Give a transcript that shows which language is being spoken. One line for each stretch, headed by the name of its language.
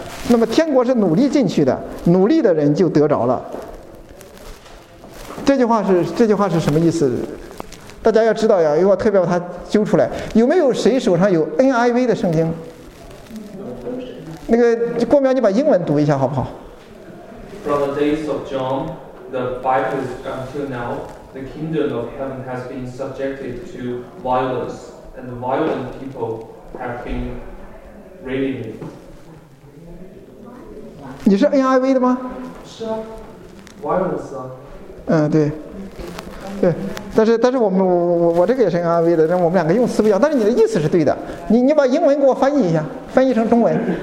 Chinese: 那么天国是努力进去的，努力的人就得着了。这句话是什么意思？大家要知道呀，因为我特别把它揪出来。有没有谁手上有 NIV 的圣经？那个郭苗，你把英文读一下好不好
English: ？From the days of John the Baptist until now, the kingdom of heaven has been subjected to violence. And the violent people have been raiding it.
Chinese: 你是 NIV 的吗？是啊 ，violence 啊。嗯，对，但是我这个也是 NIV 的，但我们两个用词不一样，但是你的意思是对的。你把英文给我翻译一下，翻译成中文。